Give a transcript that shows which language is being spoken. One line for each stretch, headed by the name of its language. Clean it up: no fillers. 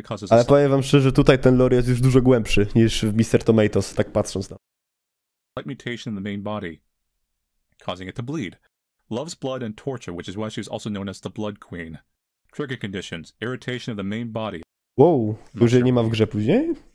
Polish: Ale powiem wam szczerze, tutaj ten lore jest już dużo głębszy niż w Mr. Tomatoes, tak patrząc na.
English: Light mutation in the main body, causing it to bleed. Loves blood and torture, which is why she's also known as the Blood Queen. Trigger conditions, irritation of the main body.
Polish: Wow, już jej nie ma w grze później?